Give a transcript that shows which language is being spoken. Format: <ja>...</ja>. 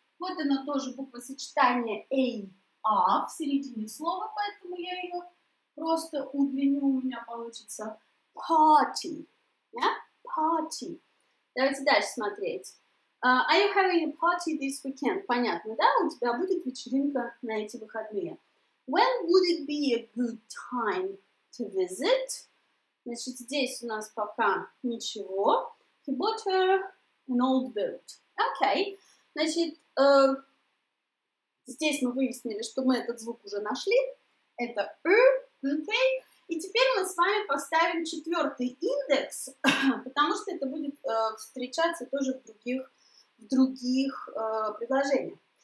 <ru>Вот оно тоже буквосочетание «a», «a» в середине слова, поэтому я ее просто удлиню, у меня получится «party».</ru> <en>Yeah? Party.</en> <ru>Давайте дальше смотреть.</ru> <en>Are you having a party this weekend?</en> <ru>Понятно, да? У тебя будет вечеринка на эти выходные.</ru> <en>When would it be a good time to visit?</en> <ru>Значит, здесь у нас пока ничего.</ru> <en>He bought her an old boat. Okay.</en> <ru>Значит, здесь мы выяснили, что мы этот звук уже нашли. Это «r», okay? И теперь мы с вами поставим четвертый индекс, потому что это будет встречаться тоже в других предложениях.</ru>